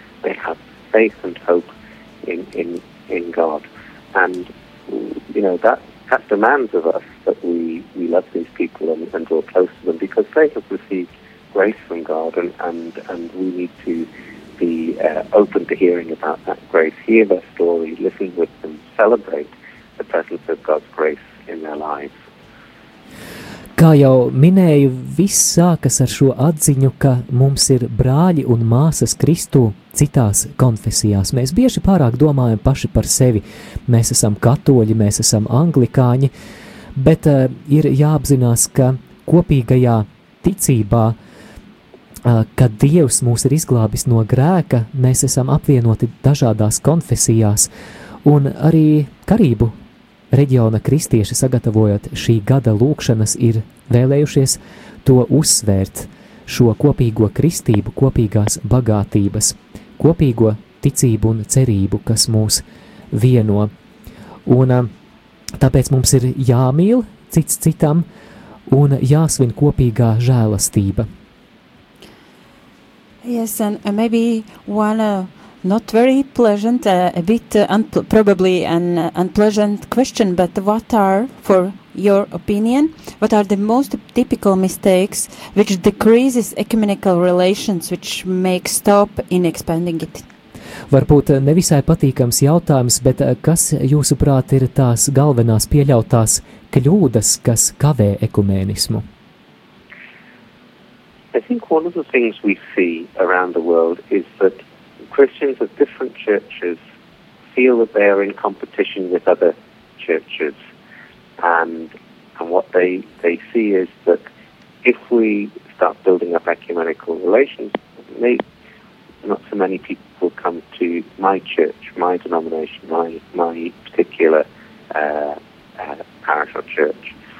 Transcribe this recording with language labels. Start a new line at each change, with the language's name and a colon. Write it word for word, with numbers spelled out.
English: They have faith and hope in in, in God, and you know that that demands of us that we, we love these people and, and draw close to them, because they have received grace from God, and, and, and we need to be uh, open to hearing about that grace, hear their story, listen with them, celebrate the presence of God's grace in their lives.
Latvian: Kā jau minēju, viss sākas ar šo atziņu, ka mums ir brāļi un māsas Kristū citās konfesijās. Mēs bieži pārāk domājam paši par sevi. Mēs esam katoļi, mēs esam anglikāņi, bet uh, ir jāapzinās, ka kopīgajā ticībā, uh, kad Dievs mūs ir izglābis no grēka, mēs esam apvienoti dažādās konfesijās, un arī Karību reģiona kristieši, sagatavojot šī gada lūkšanas, ir vēlējušies to uzsvērt, šo kopīgo kristību, kopīgās bagātības, kopīgo ticību un cerību, kas mūs vieno. Un tāpēc mums ir jāmīl cits citam un jāsvin kopīgā žēlastība.
English: Yes, and maybe one uh... Not very pleasant, uh, a bit uh, unpl- probably an uh, unpleasant question, but what are, for your opinion, what are the most typical mistakes which decreases ecumenical relations, which make stop in expanding it?
Latvian: Varbūt nevisai patīkams jautājums, bet kas jūsuprāt ir tās galvenās pieļautās kļūdas, kas kavē ekumenismu?
English: I think one of the things we see around the world is that Christians of different churches feel that they are in competition with other churches, and and what they, they see is that if we start building up ecumenical relations, maybe not so many people will come to my church, my denomination, my my particular uh, uh, parish or church.